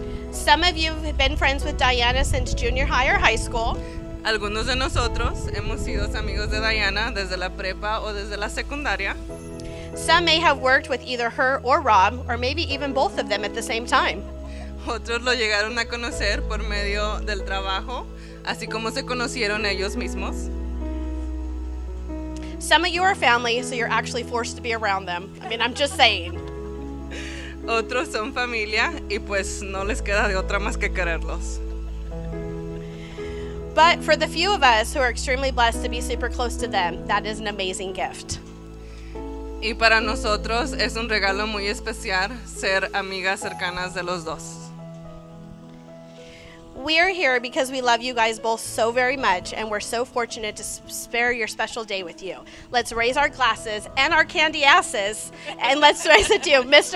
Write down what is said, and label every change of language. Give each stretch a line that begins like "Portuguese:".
English: Some of you have been friends with Diana since junior high or high school.
Spanish: Algunos de nosotros hemos sido amigos de Diana desde la prepa o desde la secundaria.
English: Some may have worked with either her or Rob, or maybe even both of them at the same time.
Spanish: Otros lo llegaron a conocer por medio del trabajo, así como se conocieron ellos mismos.
English: Some of you are family, so you're actually forced to be around them. I mean, I'm just saying.
Spanish: Otros son familia, y pues no les queda de otra más que quererlos.
English: But for the few of us who are extremely blessed to be super close to them, that is an amazing gift.
Spanish: Y para nosotros es un regalo muy especial ser amigas cercanas de los dos.
English: We are here because we love you guys both so very much, and we're so fortunate to spare your special day with you. Let's raise our glasses and our candy asses, and let's raise it to you, Mr.